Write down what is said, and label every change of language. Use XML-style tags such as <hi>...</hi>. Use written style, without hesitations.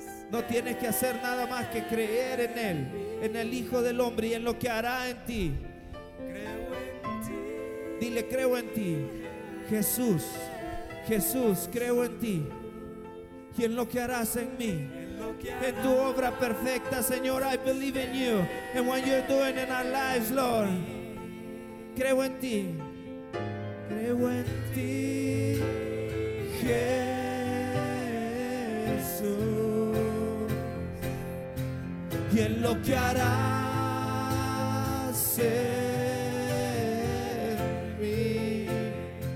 <es>No tienes que hacer nada más que creer en Él, en el Hijo del Hombre y en lo que hará en ti. Creo en ti. Dile, creo en ti, Jesús, Jesús, creo en ti y en lo que harás en mí. En tu obra perfecta, Señor,</es> <en>I believe in you and what you're doing in our lives, Lord.</en> <es>Creo en ti, creo en ti, Jesús, y en lo que harás en mí.</es>